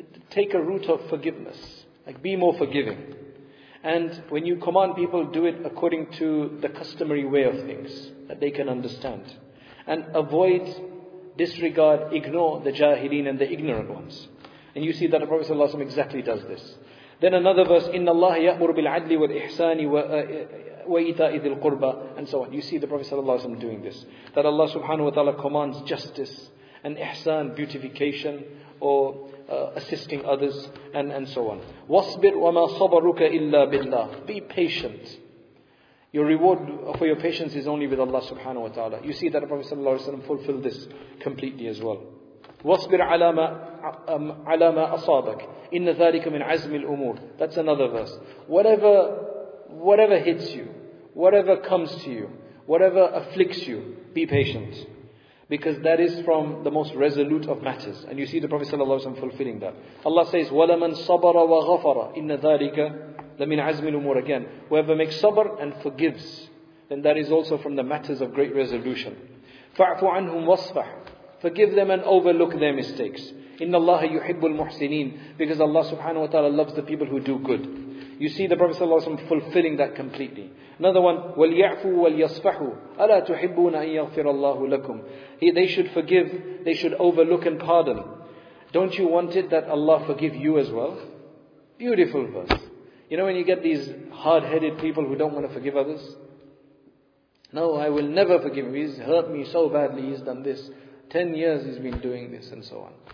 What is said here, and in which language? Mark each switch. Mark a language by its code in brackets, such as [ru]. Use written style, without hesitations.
[en] Take a route of forgiveness. Like, be more forgiving. And when you command people, do it according to the customary way of things, that they can understand. And avoid, disregard, ignore the jahileen and the ignorant ones. And you see that the Prophet ﷺ exactly does this. Then another verse, [ar] إِنَّ اللَّهَ يَأْمُرُ بِالْعَدْلِ وَالْإِحْسَانِ وَإِيْتَاءِ ذِي الْقُرْبَى. [en] And so on. You see the Prophet ﷺ doing this. That Allah subhanahu wa ta'ala commands justice and ihsan, beautification, or assisting others and so on. [ar] وَاصْبِرْ وَمَا صَبَرُكَ إِلَّا بِاللَّهِ. [en] Be patient. Your reward for your patience is only with Allah subhanahu wa ta'ala. You see that Prophet sallallahu alayhi wa sallam fulfilled this completely as well. [ar] وَاصْبِرْ عَلَى مَا أَصَابَكَ إِنَّ ذَلِكَ مِنْ عَزْمِ الْأُمُورِ. [en] That's another verse. Whatever hits you, whatever comes to you, whatever afflicts you, be patient. Because that is from the most resolute of matters. And you see the Prophet sallallahu alayhi wa sallam fulfilling that. Allah says, [ar] وَلَمَنْ صَبَرَ وَغَفَرَ إِنَّ ذَلِكَ لَمِنْ عَزْمِ الْأُمُورِ. [en] Again, whoever makes sabr and forgives, then that is also from the matters of great resolution. [ar] فَعْفُ عَنْهُمْ وَصْفَحْ. [en] Forgive them and overlook their mistakes. [ar] إِنَّ اللَّهَ يُحِبُّ الْمُحْسِنِينَ. [en] Because Allah subhanahu wa ta'ala loves the people who do good. You see the Prophet sallallahu alayhi wa sallam fulfilling that completely. Another one, [ar] وَلْيَعْفُوا وَلْيَصْفَحُوا أَلَا تُحِبُّونَ أَن يَغْفِرَ اللَّهُ لَكُمْ. [en] They should forgive, they should overlook and pardon. Don't you want it that Allah forgive you as well? Beautiful verse. You know when you get these hard-headed people who don't want to forgive others? No, I will never forgive him. He's hurt me so badly, he's done this. 10 years he's been doing this and so on.